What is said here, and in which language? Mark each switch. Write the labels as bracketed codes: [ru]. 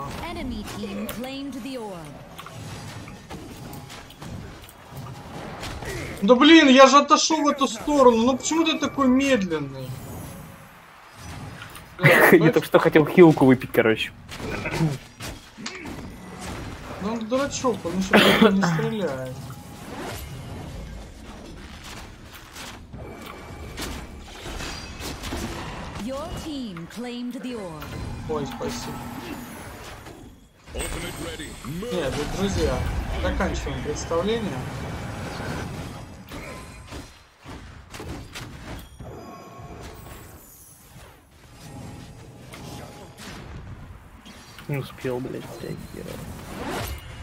[en] Enemy team claimed the orb. [ru] Да блин, я же отошел в эту сторону, ну почему ты такой медленный? Я только что хотел хилку выпить, короче. Ну он дурачок, он еще как-то не стреляет. [en] Your team claimed the orb. [ru] Ой, спасибо. Нет, друзья, заканчиваем представление. Не успел, блядь, реагировать.